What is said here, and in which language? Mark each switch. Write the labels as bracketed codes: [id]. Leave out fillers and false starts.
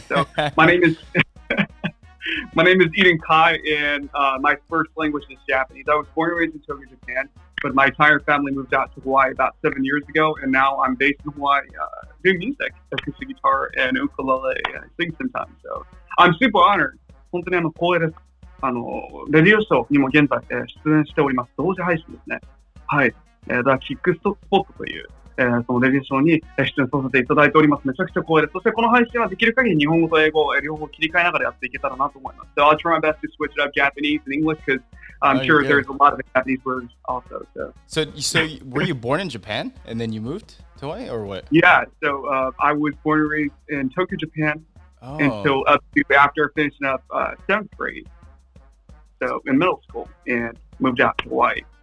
[en] So my name is Eden Kai, and my first language is Japanese. I was born and raised in Tokyo, Japan, but my entire family moved out to Hawaii about 7 years ago, and now I'm based in Hawaii doing music, acoustic guitar and ukulele, and I sing sometimes, so I'm super honored. [ja] 本当にこういうレディオショーにも現在、出演しております。同時配信ですね。はい。ザ・キックスポットという、そのレディオショーに出演させていただいております。めちゃくちゃ光栄です。そしてこの配信はできる限り日本語と英語を両方切り替えながらやっていけたらなと思います。 [en] So I'll try my best to switch it up Japanese and English because I'm sure there's a lot of Japanese words also. So were you born in Japan and then you moved to Hawaii or what? Yeah, so I was born and raised in Tokyo, Japan. Until up to after finishing up seventh grade, so in middle school, and moved out to Hawaii.